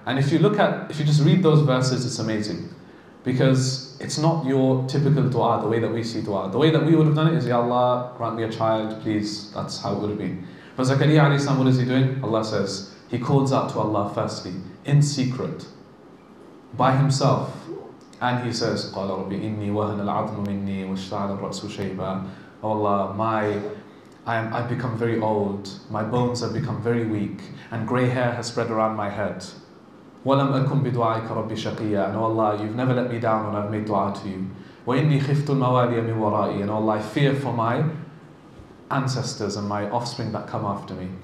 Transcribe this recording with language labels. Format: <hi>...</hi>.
<en>And if you look at, if you just read those verses, it's amazing. Because it's not your typical dua, the way that we see dua. The way that we would have done it is, Ya Allah, grant me a child, please. That's how it would have been. But Zakariya alayhi salam, what is he doing? Allah says, he calls out to Allah firstly, in secret, by himself. And he says,</en> <ar>قَالَ رَبِّ إِنِّي وَهَنَ الْعَظْمُ مِنِّي وَاشْتَعَلَ الرَّأْسُ شَيْبًا.</ar> <en>Oh Allah, I've become very old. My bones have become very weak. And grey hair has spread around my head.</en> <ar>وَلَمْ أَكُمْ بِدُعَائِكَ رَبِّ شَقِيًّا.</ar> <en>And oh Allah, you've never let me down when I've made dua to you.</en> <ar>وَإِنِّي خِفْتُ الْمَوَالِيَ مِنْ وَرَائِي.</ar> <en>And oh Allah, I fear for my ancestors and my offspring that come after me.</en>